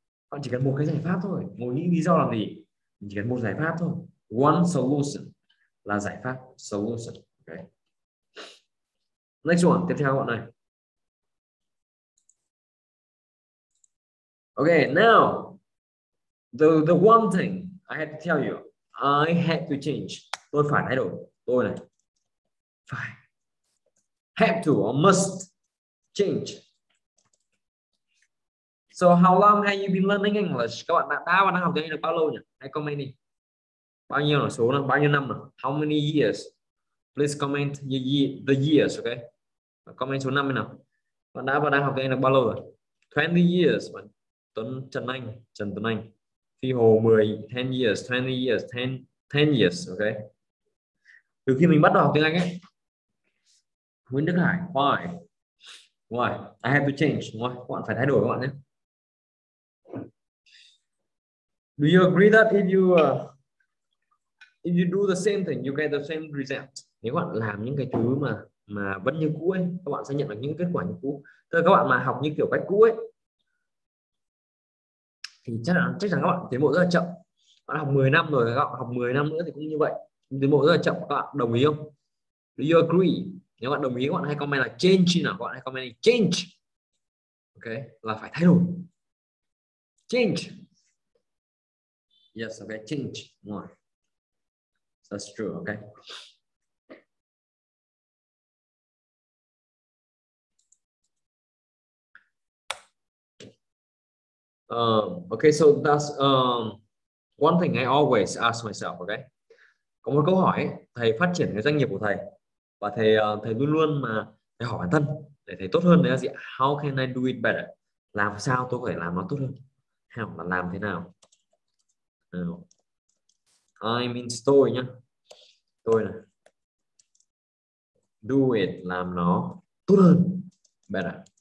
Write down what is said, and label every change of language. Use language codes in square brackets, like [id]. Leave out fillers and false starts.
[vi] Các bạn chỉ cần một cái giải pháp thôi, ngồi nghĩ lý do làm gì. Mình chỉ cần một giải pháp thôi. [en] One solution [vi] là giải pháp, solution. Okay. [en] Next one, [vi] tiếp theo bọn này. [en] Okay, now, the one thing I had to tell you, I had to change. [vi] Tôi phải thay đổi, tôi này. [en] Phải. Have to or must change. So how long have you been learning English? [vi] Các bạn đã và đang học tiếng Anh được bao lâu nhỉ? Hãy comment đi. Bao nhiêu là số nó, bao nhiêu năm nào? [en] How many years? Please comment the years, okay? Comment [vi] số năm nào. Bạn đã và đang học tiếng Anh được bao lâu rồi? 20 years, bạn. Trần Tuấn Anh, Phi Hồ 10 years, okay. Từ khi mình bắt đầu học tiếng Anh ấy, Nguyễn Đức Hải, why? [en] I have to change, why? [vi] Các bạn phải thay đổi các bạn nhé. [en] Do you agree that if you do the same thing, you get the same result? [vi] Nếu các bạn làm những cái thứ mà vẫn như cũ ấy, các bạn sẽ nhận được những kết quả như cũ. Thưa các bạn mà học như kiểu cách cũ ấy. Thì chắc chắn các bạn tiến bộ rất là chậm. Bạn học 10 năm rồi, các bạn học 10 năm nữa thì cũng như vậy. Tiến bộ rất là chậm, các bạn đồng ý không? [en] Do you agree? [vi] Nếu bạn đồng ý, các bạn hãy comment là change nào. Các bạn hãy comment là change. Ok, là phải thay đổi. Change. Yes, ok, change. Rồi. [en] That's true, [vi] ok. [en] Okay, so that's one thing I always ask myself. [vi] Okay, có một câu hỏi thầy phát triển cái doanh nghiệp của thầy và thầy luôn luôn mà thầy hỏi bản thân để thầy tốt hơn là gì? [en] How can I do it better? [vi] Làm sao tôi có thể làm nó tốt hơn? Hay là làm thế nào? I'm in story nhá, tôi là [en] do it, [vi] làm nó tốt hơn, better.